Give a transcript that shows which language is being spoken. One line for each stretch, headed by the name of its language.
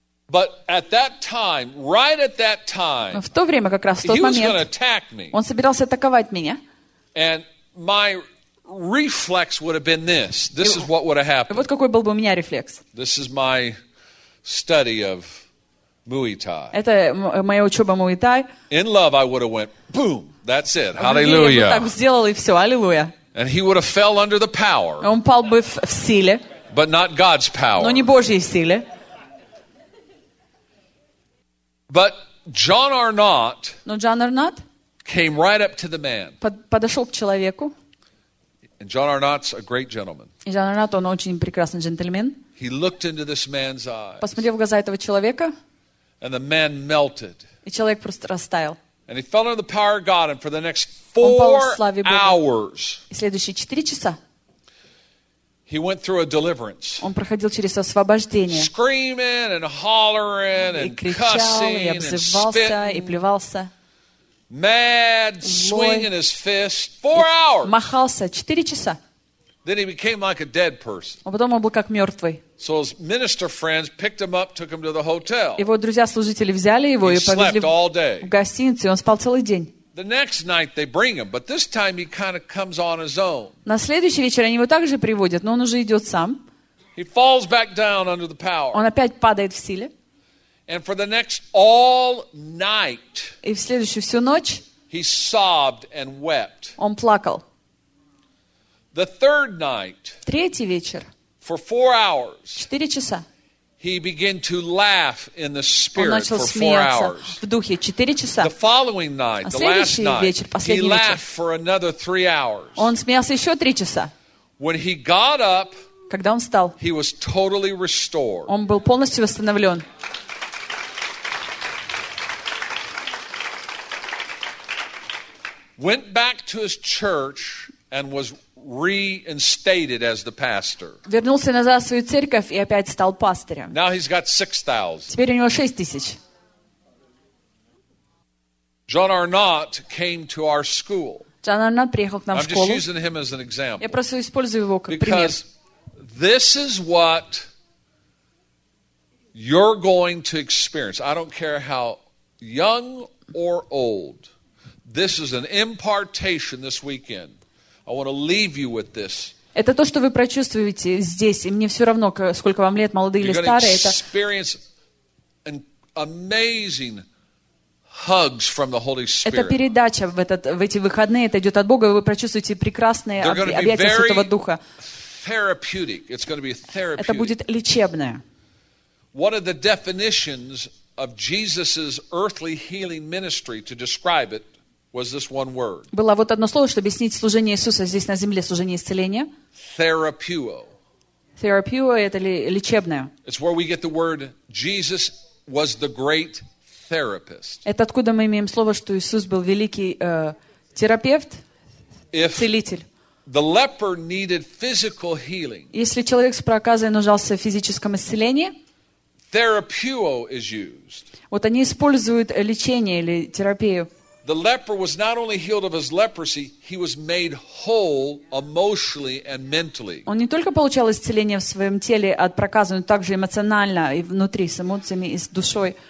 English: But at that time, right at that time,
Russian: в то время как раз в тот момент,
English: he was going to attack me.
Russian: Он собирался атаковать меня.
English: And my reflex would have been this. This is what would have happened.
Russian: Вот какой был бы у меня рефлекс.
English: This is my study of Muay Thai.
Russian: Это моя учеба Muay Thai.
English: In love, I would have went boom. That's it. Hallelujah.
Russian: Так сделал и все. Аллилуйя.
English: And he would have fell under the power.
Russian: Он пал бы в силе.
English: But not God's power.
Russian: Но не Божьей силе.
English: But John Arnott.
Russian: Но Джон Арнотт.
English: Came right up to the man.
Russian: Подошел к человеку.
English: And John Arnott's a great gentleman.
Russian: И Джон Арнотт, он очень прекрасный джентльмен.
English: He looked into this man's eyes.
Russian: Посмотрел в глаза этого человека.
English: And the man melted.
Russian: И человек просто растаял.
English: And he fell under the power of God, and for the next 4 hours.
Russian: И следующие 4 часа.
English: He went through a deliverance.
Russian: Он проходил через освобождение.
English: Screaming and hollering and cussing and spitting.
Russian: И плевался.
English: Mad, swinging his fist. 4 hours.
Russian: Махался 4 часа.
English: Then he became like a dead person.
Russian: А потом он был как мертвый.
English: So his minister friends picked him up, took him to the hotel.
Russian: Его друзья-служители взяли его и повезли в гостиницу, и он спал целый день.
English: The next night they bring him, but this time he kind of comes on his own.
Russian: На следующий вечер они его также приводят, но он уже идет сам.
English: He falls back down under the power.
Russian: Он опять падает в силе.
English: And for the next all night.
Russian: И в следующую всю ночь.
English: He sobbed and wept.
Russian: Он плакал.
English: The third night.
Russian: Третий вечер.
English: For 4 hours.
Russian: 4 часа.
English: He began to laugh in the spirit for 4 hours.
Russian: В духе 4 часа.
English: The following night, the last night.
Russian: Вечер,
English: he laughed for another 3 hours.
Russian: Он смеялся еще 3 часа.
English: When he got up.
Russian: Когда он встал.
English: He was totally restored.
Russian: Он был полностью восстановлен.
English: Went back to his church and was reinstated as the pastor.
Russian: Вернулся назад в свою церковь и опять стал пастырем.
English: Now he's got 6,000.
Russian: Теперь у него 6,000.
English: John Arnott came to our school.
Russian: Джон Арнотт приехал к нам в школу.
English: I'm just using him as an example.
Russian: Я просто использую его как пример.
English: Because this is what you're going to experience. I don't care how young or old. This is an impartation this weekend. I want to leave you with this.
Russian: Это то, что вы прочувствуете здесь, и мне все равно, сколько вам лет, молодые или старые.
English: You're going to experience an amazing hugs from the Holy Spirit.
Russian: Это передача в эти выходные, это идет от Бога, и вы прочувствуете прекрасные объятия Святого Духа.
English: Therapeutic. It's going to be therapeutic.
Russian: Это будет лечебное.
English: What are the definitions of Jesus's earthly healing ministry to describe it? Was this one word?
Russian: Было вот одно слово, чтобы объяснить служение Иисуса здесь на земле, служение исцеления.
English: Therapeuo.
Russian: Therapeuo – это лечебное.
English: It's where we get the word Jesus was the great therapist.
Russian: Это откуда мы имеем слово, что Иисус был великий терапевт, целитель.
English: The leper needed physical healing.
Russian: Если человек с проказой нуждался в физическом исцелении.
English: Therapeuo is used.
Russian: Вот они используют лечение или терапию.
English: The leper was not only healed of his leprosy, he was made whole emotionally and mentally.
Russian: Он не только получал исцеление в своем теле от проказы, но также эмоционально и внутри, с эмоциями и с душой.